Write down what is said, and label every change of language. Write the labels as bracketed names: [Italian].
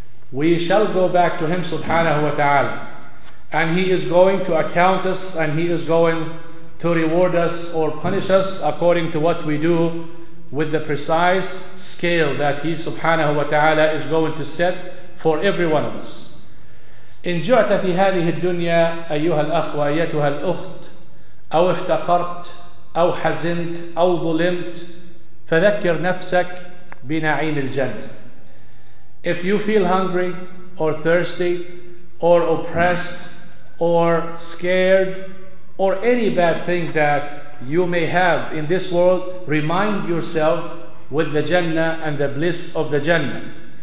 [English] We shall go back to him subhanahu wa ta'ala. And he is going to account us, and he is going to reward us or punish us according to what we do with the precise scale that he subhanahu wa ta'ala is going to set for every one of us. [Arabic] إن جعت في هذه الدنيا أيها الأخوة أيتها الأخت أو افتقرت أو حزنت أو ظلمت فذكر نفسك بنعيم الجنة. [English] If you feel hungry or thirsty or oppressed or scared or any bad thing that you may have in this world, remind yourself with the Jannah and the bliss of the Jannah.